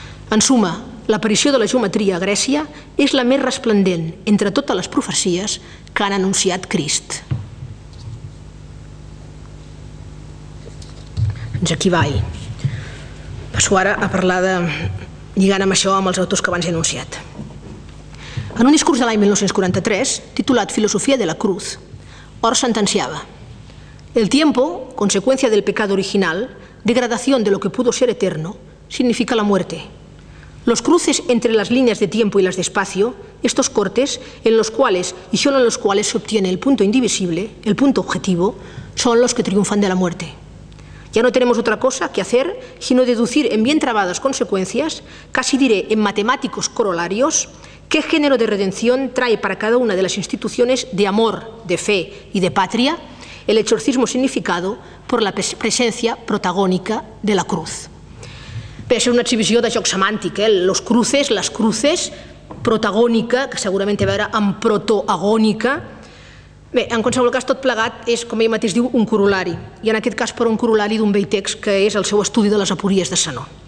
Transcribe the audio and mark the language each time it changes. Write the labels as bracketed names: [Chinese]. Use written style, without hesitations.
[Catalan] En suma, l'aparició de la geometria a Grècia és la més resplendent entre totes les profecies que han anunciat Crist. Fins aquí Ball. Passo ara a parlar de, lligant amb això, amb els autors que abans he anunciat. En un discurs de l'any 1943, titulat Filosofia de la Cruz, Ors sentenciava: [Spanish] el tiempo, consecuencia del pecado original, degradación de lo que pudo ser eterno, significa la muerte. Los cruces entre las líneas de tiempo y las de espacio, estos cortes en los cuales y solo en los cuales se obtiene el punto indivisible, el punto objetivo, son los que triunfan de la muerte. Ya no tenemos otra cosa que hacer sino deducir en bien trabadas consecuencias, casi diré en matemáticos corolarios, ¿qué género de redención trae para cada una de las instituciones de amor, de fe y de patria el exorcismo significado por la presencia protagónica de la cruz? [Catalan] Bé, això és una exhibició de joc semàntic, Los cruces, les cruces, protagònica, que segurament té a veure amb protoagònica. Bé, en qualsevol cas, tot plegat és, com ell mateix diu, un corol·lari. I en aquest cas, per un corol·lari d'un vell text que és el seu estudi de les apories de Zenó.